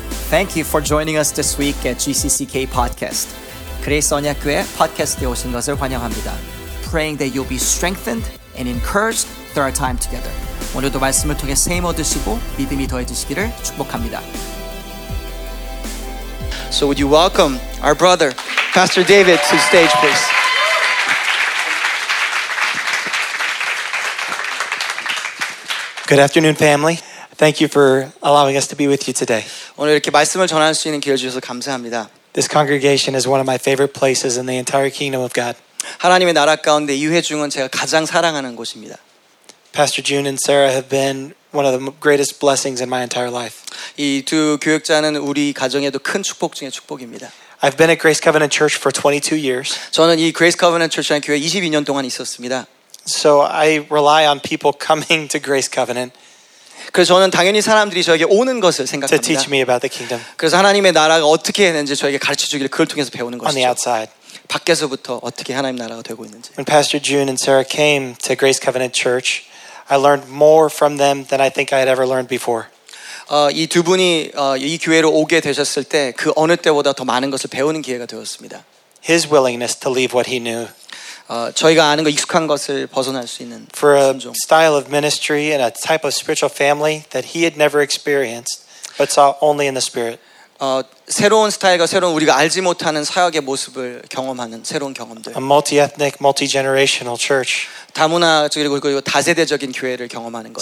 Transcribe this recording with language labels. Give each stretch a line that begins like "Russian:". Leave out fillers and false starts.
English: Thank you for joining us this week at GCCK Podcast.
Korean: 그레이스 언약 교회 팟캐스트에 오신 것을 환영합니다.
English: Praying that you'll be strengthened and encouraged through our time together.
Korean: 오늘도 말씀을 통해 세임 얻으시고 믿음이 더해지시기를 축복합니다.
English: So would you welcome our brother, Pastor David, to the stage, please. Good afternoon, family. Thank you for allowing us to be with you today.
Korean: 오늘 이렇게 말씀을 전할 수 있는 기회를 주셔서 감사합니다.
English: This congregation is one of my favorite places in the entire kingdom of God.
Korean: 하나님의 나라 가운데 이 회중은 제가 가장 사랑하는 곳입니다.
English: Pastor June and Sarah have been one of the greatest blessings in my entire life.
Korean: 이 두 교역자는 우리 가정에도 큰 축복 중의 축복입니다.
English: I've been at Grace Covenant Church for 22 years.
Korean: 저는 이 Grace Covenant Church라는 교회 22년 동안 있었습니다.
English: So I rely on people coming to Grace Covenant.
Korean: 그래서 저는 당연히 사람들이 저에게 오는 것을 생각합니다.
English: To teach me about the kingdom.
Korean: 그래서 하나님의 나라가 어떻게 되는지 저에게 가르쳐 주기를 그걸 통해서 배우는 것이죠.
English: On the outside.
Korean: 밖에서부터 어떻게 하나님 나라가 되고 있는지.
English: When Pastor June and Sarah came to Grace Covenant Church, I learned more from them than I think I had ever learned before.
Korean: 이 두 분이 이 교회로 오게 되셨을 때 그 어느 때보다 더 많은 것을 배우는 기회가 되었습니다.
English: His willingness to leave what he knew.
Korean: 저희가 아는 거 익숙한 것을 벗어날 수 있는
English: For a
Korean: 순종.
English: Style of ministry and a type of spiritual family that he had never experienced but saw only in the spirit.
Korean: 새로운 스타일과 새로운 우리가 알지 못하는 사역의 모습을 경험하는 새로운 경험들.
English: A multi-ethnic, multi-generational church.
Korean: 다문화 그리고 다세대적인 교회를 경험하는 것.